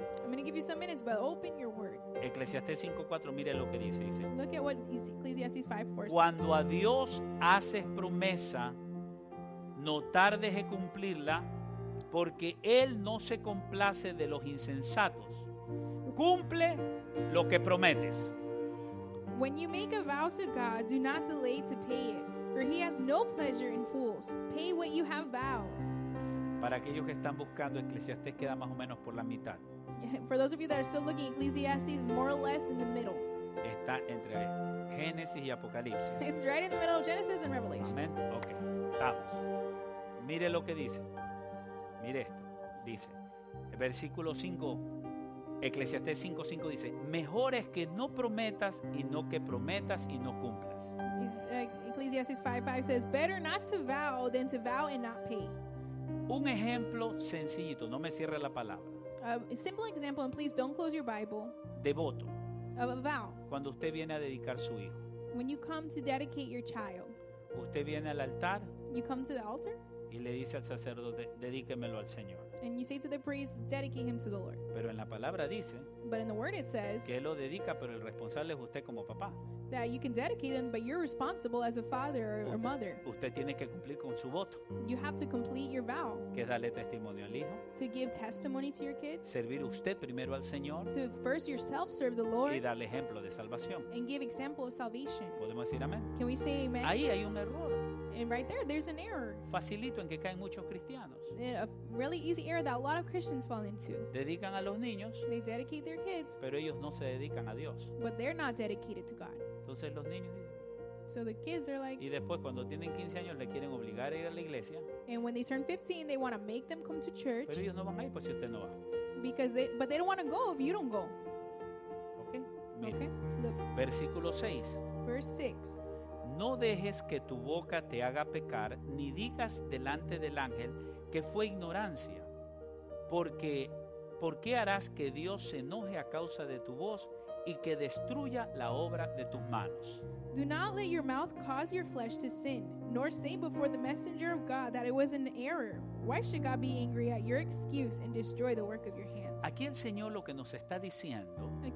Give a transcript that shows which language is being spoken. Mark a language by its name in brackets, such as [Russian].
[English] I'm going to give you some minutes, but open your word. [Spanish] Eclesiastés 5:4, mire lo que dice. Dice, [English] look at what Ecclesiastes 5:4 says. [Spanish] Cuando a Dios haces promesa, no tardes en cumplirla, porque Él no se complace de los insensatos. Cumple lo que prometes. [English] When you make a vow to God, do not delay to pay it, for He has no pleasure in fools. Pay what you have vowed. [Spanish] Para aquellos que están buscando, Eclesiastés queda más o menos por la mitad. [English] For those of you that are still looking, Ecclesiastes is more or less in the middle. [Spanish] Está entre Génesis y Apocalipsis. [English] It's right in the middle of Genesis and Revelation. [Spanish] Amen. Okay. Vamos. Mire lo que dice. Mire esto. Dice, versículo 5. Eclesiastés 5:5 dice, mejor es que no prometas y no que prometas y no cumplas. [English] Ecclesiastes 5:5 says, better not to vow than to vow and not pay. [Spanish] Un ejemplo sencillito, no me cierre la palabra. [English] A simple example, and please don't close your Bible. [Spanish] Devoto. [English] Of a vow. [Spanish] Cuando usted viene a dedicar su hijo. [English] When you come to dedicate your child. [Spanish] Usted viene al altar. [English] You come to the altar. [Spanish] Y le dice al sacerdote, dedíquemelo al Señor. [English] And you say to the priest, dedicate him to the Lord. [Spanish] Pero en la palabra dice, [English] but in the word it says, [Spanish] que él lo dedica, pero el responsable es usted como papá. [English] That you can dedicate him, but you're responsible as a father or mother. [Spanish] Usted tiene que cumplir con su voto. [English] You have to complete your vow. [Spanish] Que darle testimonio al hijo. [English] To give testimony to your kid. [Spanish] Servir usted primero al Señor. [English] To first yourself serve the Lord. [Spanish] Y darle ejemplo de salvación. [English] And give example of salvation. [Spanish] ¿Podemos decir amén? [English] Can we say amen? [Spanish] Ahí hay un error. [English] And right there, there's an error. [Spanish] Facilito en que caen muchos cristianos. [English] And a really easy error that a lot of Christians fall into. [Spanish] Dedican a los niños. [English] They dedicate their kids. [Spanish] Pero ellos no se dedican a Dios. [English] But they're not dedicated to God. [Spanish] Entonces los niños. [English] So the kids are like. [Spanish] Y después cuando tienen 15 años le quieren obligar a ir a la iglesia. [English] And when they turn 15, they want to make them come to church. [Spanish] Pero ellos no van ahí, pues si usted no va. [English] Because they, but they don't want to go if you don't go. Okay. [Spanish] Mira. [English] Okay. Look. [Spanish] Versículo 6. [English] Verse 6. [Spanish] No dejes que tu boca te haga pecar, ni digas delante del ángel que fue ignorancia. Porque, ¿por qué harás que Dios se enoje a causa de tu voz y que destruya la obra de tus manos? [English] Do not let your mouth cause your flesh to sin, nor say before the messenger of God that it was an error. Why should God be angry at your excuse and destroy the work of your hands? [Spanish] Aquí el Señor lo que nos está diciendo,